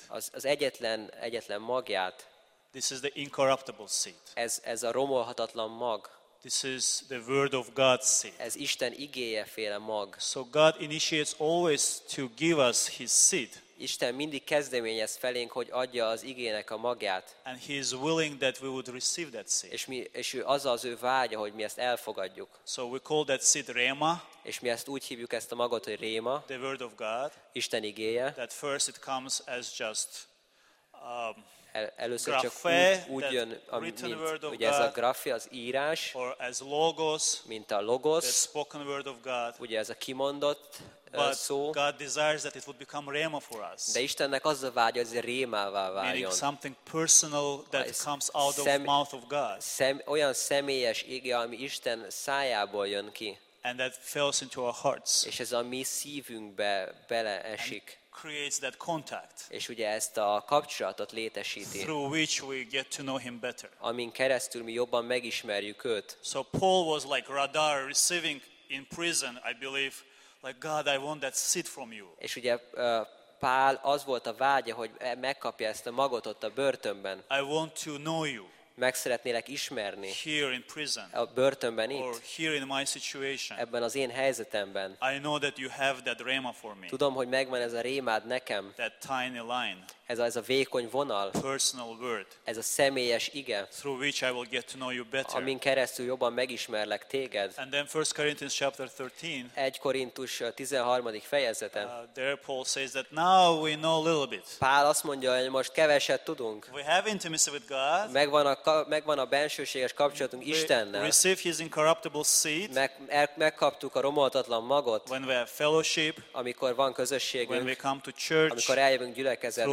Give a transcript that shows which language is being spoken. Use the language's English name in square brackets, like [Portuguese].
[Hungarian] Az egyetlen magját. [English] This is the incorruptible seed. [Hungarian] Ez a romolhatatlan mag. [English] This is the word of God's seed. [Hungarian] Ez Isten igéje féle mag. [English] So God initiates always to give us his seed. [Hungarian] Isten mindig kezdeményez felénk, hogy adja az igének a magját. [English] And he is willing that we would receive that seed. [Hungarian] És ő az az ő vágya, hogy mi ezt elfogadjuk. [English] So we call that seed rhema. [Hungarian] És mi ezt úgy hívjuk, ezt a magot, hogy réma, [English] the word of God, [Hungarian] Isten igéje. [English] That first it comes as just [Hungarian] először csak úgy jön, ugye ez a grafé, az írás, [English] or as logos, [Hungarian] mint a logos, [English] the spoken word of God, [Hungarian] ugye ez a kimondott szó. [English] God desires that it would become réma for us. [Hungarian] De Istennek az a vágya, hogy ez rémává váljon. [English] Meaning something personal that comes out of mouth of God. [Hungarian] Olyan személyes ige, ami Isten szájából jön ki. [English] And that fills into our hearts. [Hungarian] És ez a mi szívünkbe beleesik. [English] And creates that contact. [Hungarian] És ugye ezt a kapcsolatot létesíti. [English] Through which we get to know him better. [Hungarian] Amin keresztül mi jobban megismerjük őt. [English] So Paul was like radar receiving in prison, I believe, like God, I want that seed from you. [Hungarian] És ugye Pál az volt a vágya, hogy megkapja ezt a magot ott a börtönben. [English] I want to know you. [Hungarian] Meg szeretnélek ismerni [English] here in prison, [Hungarian] a börtönben itt, [English] or here in my situation, [Hungarian] ebben az én helyzetemben. [English] I know that you have that rhema for me. [Hungarian] Tudom, hogy megvan ez a rémád nekem. [English] That tiny line, [Hungarian] ez a vékony vonal. [English] Personal word, [Hungarian] ez a személyes ige. [English] Through which I will get to know you better. [Hungarian] Amin keresztül jobban megismerlek téged. [English] And then 1 Corinthians chapter 13. [Hungarian] 1 Korintus 13. fejezete. [English] There Paul says that now we know a little bit. [Hungarian] Pál azt mondja, hogy most keveset tudunk. [English] We have intimacy with God. [Hungarian] Megvan a bensőséges kapcsolatunk Istennel. [English] Receive his incorruptible seed. [Hungarian] Megkaptuk a romolhatatlan magot. [English] When we have fellowship. [Hungarian] Amikor van közösségünk. [English] When we come to church. [Hungarian] Amikor eljövünk gyülekezetbe.